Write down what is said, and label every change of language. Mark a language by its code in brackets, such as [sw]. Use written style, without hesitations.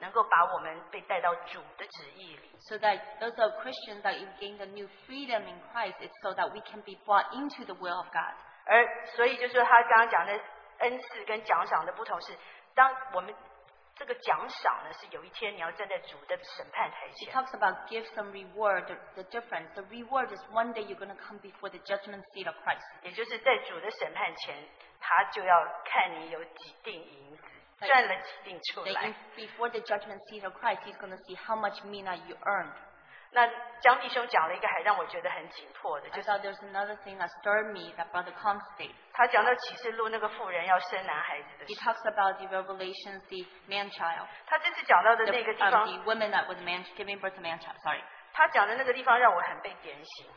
[zh] 那我们基督徒得到的新的自由是让我们能够把我们被带到主的旨意里。 [en] So that those of Christians that you've gained a new freedom in Christ, it's so that we can be brought into the will of God. [zh] 而所以就是他刚刚讲的恩赐跟奖赏的不同是当我们 这个奖赏呢，是有一天你要站在主的审判台前。 [en] He talks about gifts and reward. The difference, the reward is one day you're going to come before the judgment seat of Christ. [zh] 也就是在主的审判前，他就要看你有几锭银子，赚了几锭出来。 [en] Before the judgment seat of Christ, he's going to see how much mina you earned. [zh] 那江弟兄讲了一个还让我觉得很紧迫的，就是 [en] I thought there's another thing that stirred me that Brother Kong said. [zh] 他讲到启示录那个妇人要生男孩子的事。 [en] He talks about the revelation, the man child. [zh] 他这次讲到的那个地方 [en] the woman that was man, giving birth to man child, sorry. [zh] 他讲的那个地方让我很被点醒。